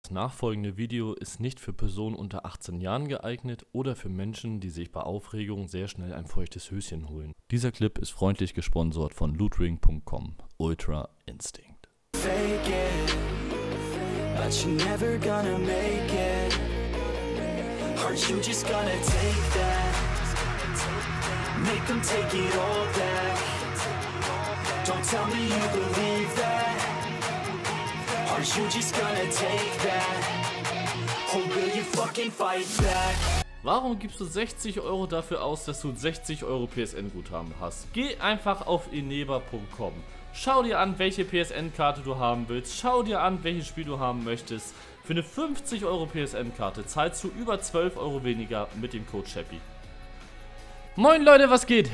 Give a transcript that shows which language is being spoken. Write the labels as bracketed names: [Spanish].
[German] Das nachfolgende Video ist nicht für Personen unter 18 Jahren geeignet oder für Menschen, die sich bei Aufregung sehr schnell ein feuchtes Höschen holen. Dieser Clip ist freundlich gesponsert von Lootring.com. [English] Ultra Instinct. Fake it, but you're never gonna make it. Are you just gonna take that? Make them take it all back. Don't tell me you believe that. Are you just gonna take that? Or will you fucking fight back? [German] Warum gibst du 60 Euro dafür aus, dass du 60 Euro PSN-Guthaben hast? Geh einfach auf Ineva.com. Schau dir an, welche PSN-Karte du haben willst. Schau dir an, welches Spiel du haben möchtest. Für eine 50 Euro PSN-Karte zahlst du über 12 Euro weniger mit dem Code Chappy. Moin Leute, was geht?